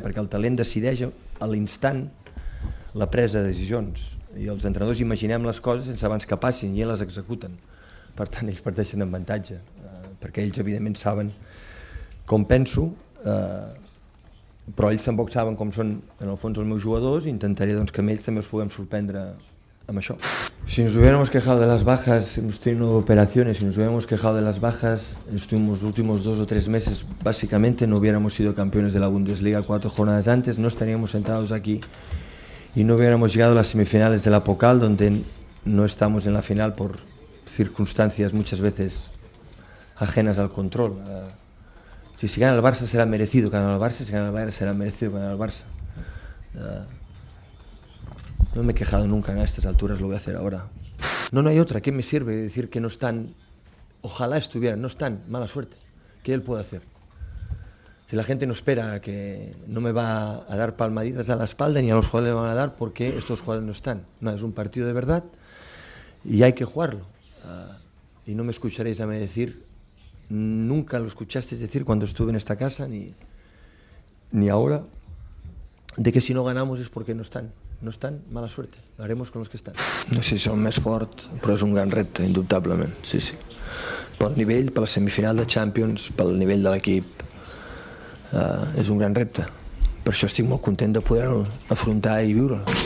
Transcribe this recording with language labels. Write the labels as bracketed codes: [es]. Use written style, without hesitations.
[ca] Perquè el talent decideix a l'instant la presa de decisions, i els entrenadors imaginem les coses sense abans que passin i ells les executen. Per tant, ells parteixen amb avantatge, perquè ells evidentment saben com penso, però ells tampoc saben com són en el fons els meus jugadors, i intentaré doncs que amb ells també els puguem sorprendre amb això. [es] Si nos hubiéramos quejado de las bajas, hemos tenido operaciones, si nos hubiéramos quejado de las bajas, estuvimos los últimos 2 o 3 meses, básicamente no hubiéramos sido campeones de la Bundesliga 4 jornadas antes, no estaríamos sentados aquí y no hubiéramos llegado a las semifinales de la Pokal, donde no estamos en la final por circunstancias muchas veces ajenas al control. Si gana el Barça será merecido ganar el Barça, si gana el Barça será merecido ganar el Barça. No me he quejado nunca en estas alturas, lo voy a hacer ahora. No hay otra. ¿Qué me sirve decir que no están? Ojalá estuvieran. No están. Mala suerte. ¿Qué él puede hacer? Si la gente no espera que no me va a dar palmaditas a la espalda, ni a los jugadores le van a dar, porque estos jugadores no están. No, es un partido de verdad y hay que jugarlo. Y no me escucharéis a mí decir, nunca lo escuchasteis decir cuando estuve en esta casa, ni ahora, de que si no ganamos es porque no están. No estan, mala suerte. Haremos con los que están. [ca] No sé si són més fort, però és un gran repte, indubtablement. Sí, sí. Pel nivell, per la semifinal de Champions, pel nivell de l'equip, és un gran repte. Per això estic molt content de poder-ho afrontar i viure-ho.